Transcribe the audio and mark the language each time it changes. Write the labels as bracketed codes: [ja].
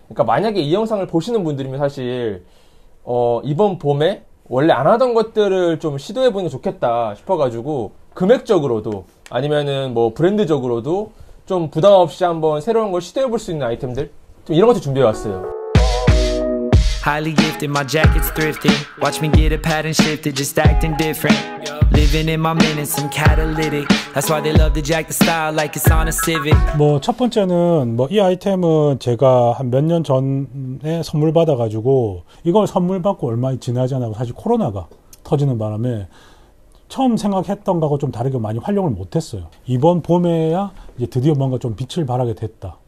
[ko] 그러니까 만약에 이 영상을 보시는 분들이면 사실 이번 봄에 원래 안 하던 것들을 좀 시도해 보는 게 좋겠다 싶어가지고 금액적으로도 아니면은 뭐 브랜드적으로도 좀 부담 없이 한번 새로운 걸 시도해 볼수 있는 아이템들 좀 이런 것들 준비해 왔어요. [en] Highly gifted, my jacket's thrifty. Watch me get a pattern shifted, just acting different. Living in my minutes, I'm catalytic. That's why they love to jack the style like it's on a Civic. [ko] 뭐첫 번째는 뭐이 아이템은 제가 한몇년 전에 선물 받아가지고 이걸 선물 받고 얼마 지나지 않아서 사실 코로나가 터지는 바람에 처음 생각했던 거하고 좀 다르게 많이 활용을 못했어요. 이번 봄에야 이제 드디어 뭔가 좀 빛을 발하게 됐다.